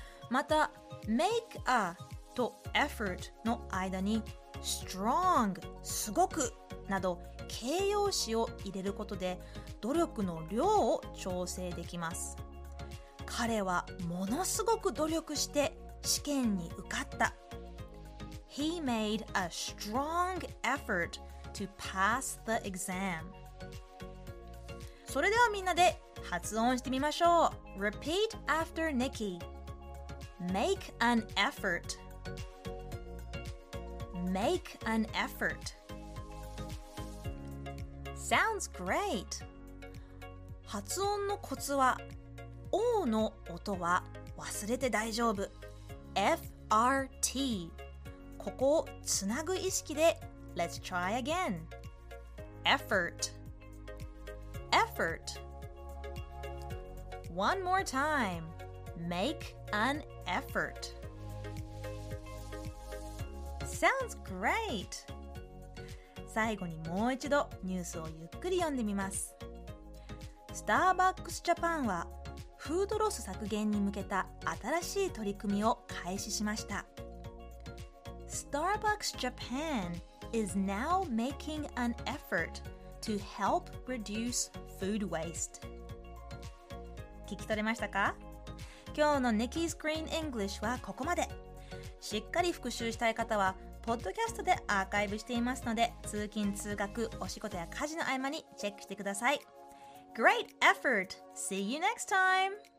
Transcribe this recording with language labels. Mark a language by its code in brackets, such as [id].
[ja] また make a と effort の間に strong、 すごくなど形容詞を入れることで努力の量を調整できます。彼はものすごく努力して試験に受かった。 [en] He made a strong effort to pass the exam。 [ja] それではみんなで発音してみましょう。 [en] Repeat after Nikki。 Make an effort。 Make an effort。 Sounds great。 [ja] 発音のコツは O の音は忘れて大丈夫、FRT。ここをつなぐ意識で [en] Let's try again。 Effort、 Effort。 One more time。 Make an effort。 Sounds great。 [ja] 最後にもう一度ニュースをゆっくり読んでみます。スターバックスジャパンはフードロス削減に向けた新しい取り組みを開始しました。 [en] Starbucks Japan is now making an effort to help reduce food waste。 [ja] 聞き取れましたか？今日の Nikki's Green English はここまで。しっかり復習したい方はポッドキャストでアーカイブしていますので、通勤通学、お仕事や家事の合間にチェックしてください。 [en] Great effort! See you next time!